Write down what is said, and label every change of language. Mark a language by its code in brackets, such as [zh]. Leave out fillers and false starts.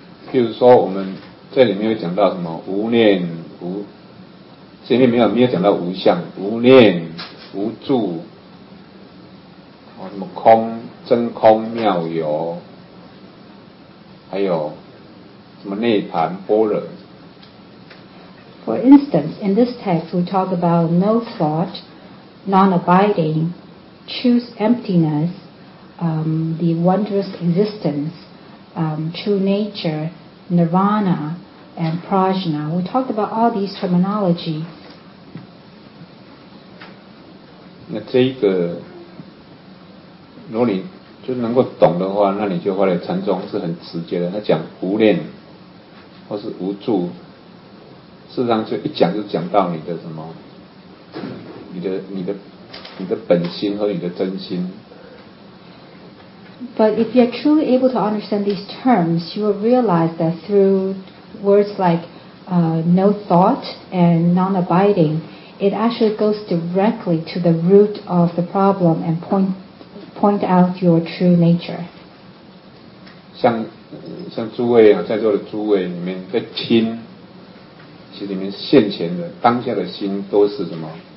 [zh] 譬如说，我们这里面有讲到什么无念无。前面没有讲到无相、无念、无住，什么空、真空、妙有，还有什么涅槃、般若。 [en] For instance, in this text, we talk about no thought, non-abiding, true emptiness, the wondrous existence, true nature, nirvana, and prajna. We talked about all these terminology. [zh] 那这一个如果你就能够懂的话，那你就发现禅宗是很直接的，他讲无念或是无住，事实上就一讲就讲到你的什么你的本心和你的真心。 [en] But if you're truly able to understand these terms, you will realize that through words like no thought and non-abidingIt actually goes directly to the root of the problem and point out your true nature. [zh] 像诸位啊，在座的诸位里面，在听，其实里面现前的当下的心都是什么？